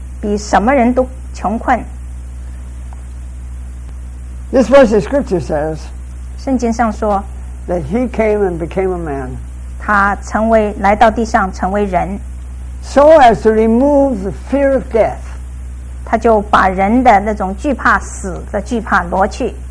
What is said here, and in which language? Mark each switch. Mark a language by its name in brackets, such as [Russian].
[Chinese] 比什么人都穷困 [English] This verse of scripture says [Chinese] 圣经上说 [English] that he came and became a man [Chinese] 他成为来到地上成为人 [English] so as to remove the fear of death [Chinese] 他就把人的那种惧怕死的惧怕挪去